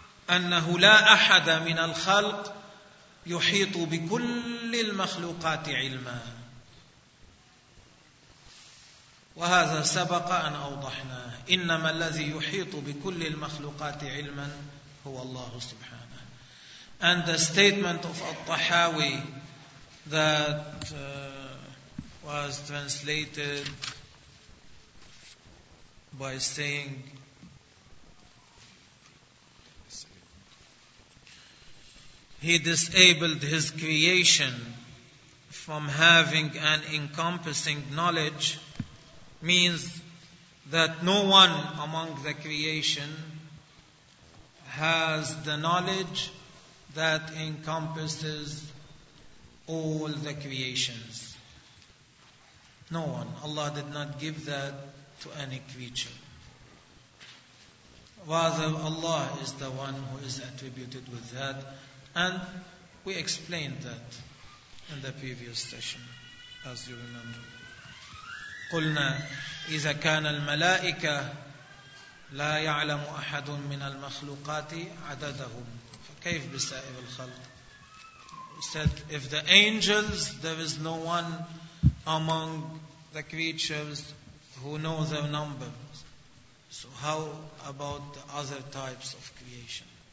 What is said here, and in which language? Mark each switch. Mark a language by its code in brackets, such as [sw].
[ar] أنه لا أحد من الخلق يحيط بكل المخلوقات علما، وهذا سبق أن أوضحناه، إنما الذي يحيط بكل المخلوقات علما هو الله سبحانه. [en] And the statement of al-Tahawi that was translated by saying he disabled his creation from having an encompassing knowledge means that no one among the creation has the knowledge that encompasses all the creations. No one. Allah did not give that to any creature. Rather, Allah is the one who is attributed with that. And we explained that in the previous session, as you remember. [ar] قلنا إذا كان الملائكة لا يعلم أحد من المخلوقات عددهم فكيف بسائر الخلق. [en] He said, if the angels, there is no one among the creatures who know their number. So how about the other types of creation?